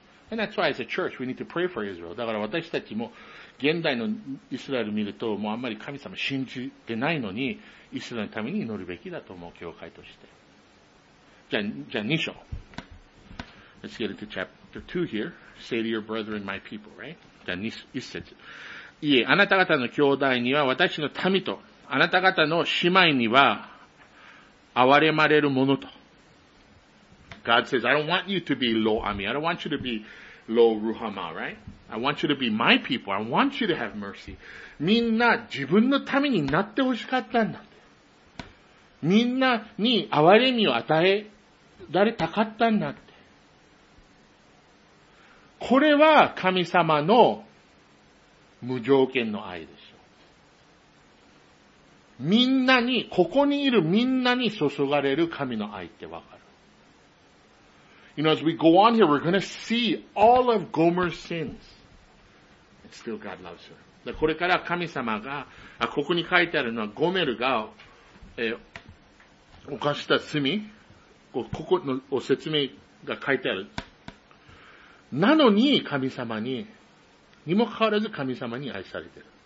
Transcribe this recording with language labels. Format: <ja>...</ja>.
<en>And that's why as a church, we need to pray for Israel.</en> <ja>だから私たちも、現代のイスラエル見ると、もうあんまり神様信じてないのに、イスラエルのために祈るべきだと思う、教会として。じゃあ2章。</ja> <en>Let's get into chapter 2 here. Say to your brethren, my people, right?</en> <ja>じゃあ1節。いえ、あなた方の兄弟には私の民と、あなた方の姉妹には、憐れまれるものと。</ja> <en>God says, I don't want you to be low on me. I don't want you to be low Ruhama, right? I want you to be my people. I want you to have mercy.</en> <ja>みんな自分のためになってほしかったんだ。みんなに憐れみを与えられたかったんだって。これは神様の無条件の愛でしょ。みんなに、ここにいるみんなに注がれる神の愛ってわかる。</ja> <en>You know, as we go on here, we're going to see all of Gomer's sins. And still God loves her.</en> <ja>これから神様が、ここに書いてあるのはゴメルが、犯した罪、ここのお説明が書いてある。なのに神様に、にもかかわらず神様に愛されてる。</ja>